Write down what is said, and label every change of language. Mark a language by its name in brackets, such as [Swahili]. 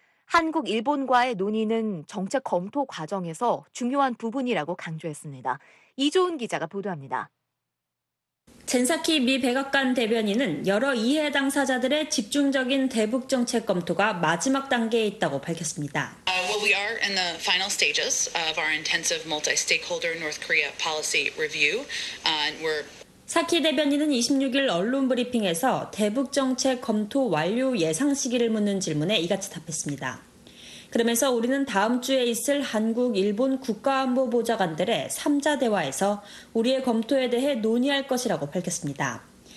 [Korean] 한국, 일본과의 논의는 정책 검토 과정에서 중요한 부분이라고 강조했습니다. 이조은 기자가 보도합니다. 젠사키 미 백악관 대변인은 여러 이해당사자들의 집중적인 대북 정책 검토가 마지막 단계에 있다고 밝혔습니다. [English] Well, we are in the final stages of our intensive multi-stakeholder North Korea policy review. We're [Korean] 사키 대변인은 26일 언론 브리핑에서 대북 정책 검토 완료 예상 시기를 묻는 질문에 이같이 답했습니다. 그러면서 우리는 다음 주에 있을 한국, 일본 국가안보보좌관들의 3자 대화에서 우리의 검토에 대해 논의할 것이라고 밝혔습니다.